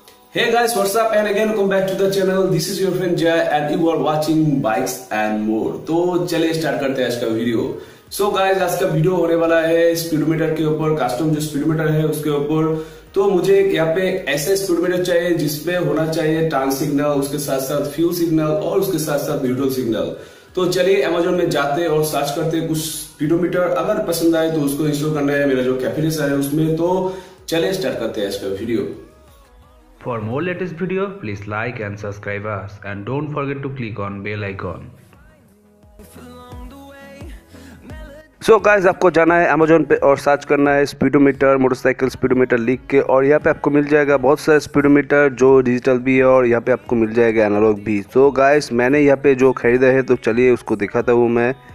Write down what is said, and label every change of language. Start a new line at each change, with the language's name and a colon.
English: Hey guys, what's up and again welcome back to the channel. This is your friend Jay and you are watching Bikes and More.
Hindi: तो चलिए start करते हैं आज का video. So guys, आज का video होने वाला है स्पीडोमीटर के ऊपर, कस्टम जो स्पीडोमीटर है उसके ऊपर. तो मुझे यहाँ पे ऐसे स्पीडोमीटर चाहिए जिसपे होना चाहिए टर्न सिग्नल, उसके साथ साथ फ्यूल सिग्नल और उसके साथ साथ न्यूट्रल सिग्नल. तो चलिए अमेजोन में जाते और सर्च करते कुछ स्पीडोमीटर, अगर पसंद आए तो उसको इंस्टॉल करना है मेरा जो कैफेनेस है उसमें. तो चलिए स्टार्ट करते हैं आज का video.
English: For more latest video, please like and subscribe us and don't forget to click on bell icon.
Hindi: So guys, आपको जाना है अमेजोन पे और सर्च करना है स्पीडोमीटर, मोटरसाइकिल स्पीडोमीटर लिख के, और यहाँ पे आपको मिल जाएगा बहुत सारे स्पीडोमीटर जो डिजिटल भी है और यहाँ पे आपको मिल जाएगा एनालॉग भी. तो गाइज, मैंने यहाँ पे जो खरीदा है तो चलिए उसको दिखाता हूँ मैं.